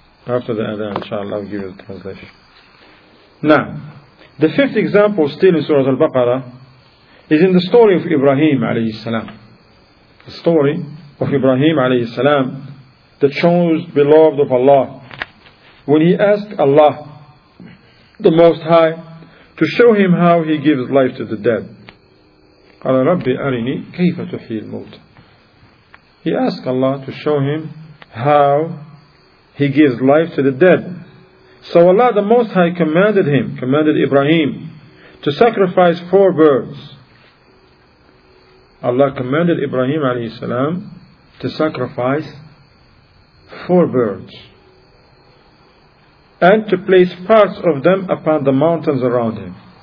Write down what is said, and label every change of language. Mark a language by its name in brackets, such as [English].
[English] After the Adhan, inshallah, I'll give you the translation. Now, the fifth example still in Surah Al-Baqarah is in the story of Ibrahim alayhi salam. The story of Ibrahim alayhi salam, the chosen beloved of Allah, when he asked Allah, the Most High, to show him how he gives life to the dead. [Arabic] قال ربي أرني كيف تحيي الموت. [English] He asked Allah to show him how he gives life to the dead. So Allah the Most High commanded Ibrahim to sacrifice four birds. Allah commanded Ibrahim alayhi salam to sacrifice four birds and to place parts of them upon the mountains around him.